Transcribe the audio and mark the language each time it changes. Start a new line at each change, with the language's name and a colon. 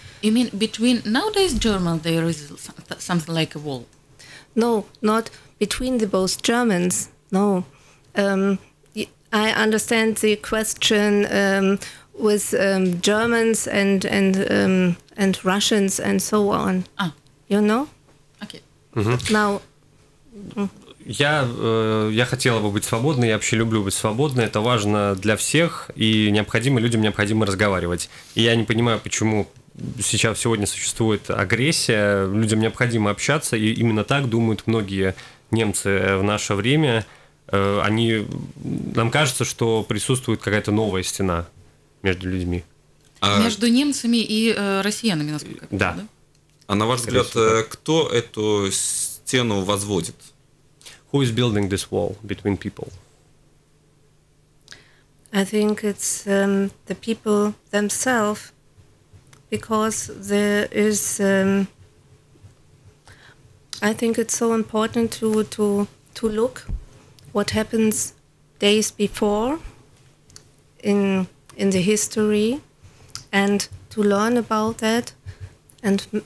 English: You mean between nowadays German there is something like a wall? No, not between the both Germans. No, I understand the question with Germans and Russians and so on. Ah, you know. Okay. Mm-hmm. Now.
Russian: Я хотела бы быть свободной, я вообще люблю быть свободной, это важно для всех, и необходимо, людям необходимо разговаривать. И я не понимаю, почему сейчас, сегодня существует агрессия, людям необходимо общаться, и именно так думают многие немцы в наше время. Нам кажется, что присутствует какая-то новая стена между людьми. Между немцами и россиянами, насколько да. А на ваш взгляд, кто эту стену возводит?
English: Who is building this wall between people? I think it's the people themselves, because there is. I think it's so important to look what happens days before in the history, and to learn about that, and